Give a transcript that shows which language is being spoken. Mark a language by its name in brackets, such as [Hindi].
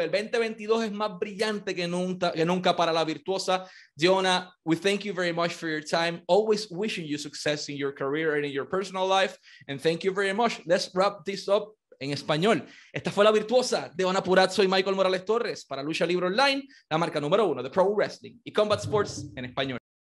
[Spanish] El 2022 es más brillante que nunca para La Virtuosa. [English] Deonna, we thank you very much for your time. Always wishing you success in your career and in your personal life. And thank you very much. Let's wrap this up [Spanish] en español. Esta fue La Virtuosa, Deonna Purrazzo y Michael Morales Torres para Lucha Libre Online, la marca número uno de Pro Wrestling y Combat Sports en español.